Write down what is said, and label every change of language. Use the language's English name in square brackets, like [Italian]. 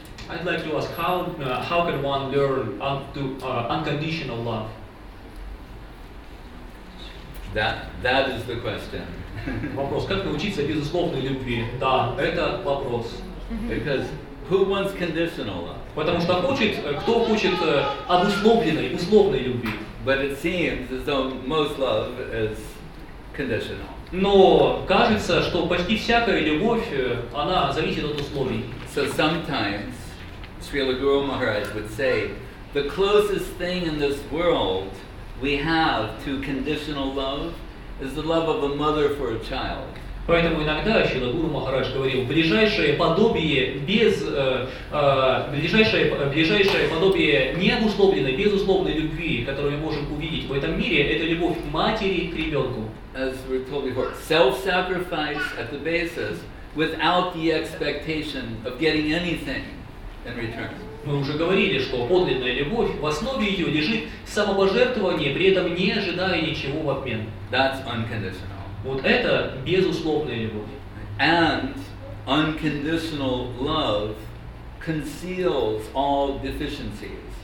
[English] I'd like to ask how can one learn unconditional love? That is the question. [Russian] Вопрос, как научиться безусловной любви? Да, это вопрос. [English] Because who wants conditional love? [Russian] Потому что кто хочет обусловленной, условной любви? [English] But it seems as though most love is conditional. [Russian] Но кажется, что почти всякая любовь, она зависит от условий. [English] So sometimes Srila Guru Maharaj would say, the closest thing in this world we have to conditional love is the love of a mother for a child. [Russian] Поэтому иногда Шрила Гуру Махарадж говорил, ближайшее подобие необусловленной, безусловной любви, которую мы можем увидеть в этом мире, это любовь матери к ребенку. [English] As we were told before, self-sacrifice at the basis without the expectation of getting anything in return. [Russian] Мы уже говорили, что подлинная любовь, в основе ее лежит самопожертвование, при этом не ожидая ничего в обмен. [English] That's unconditional. [Russian] Вот это безусловная любовь. [English] And unconditional love conceals all deficiencies.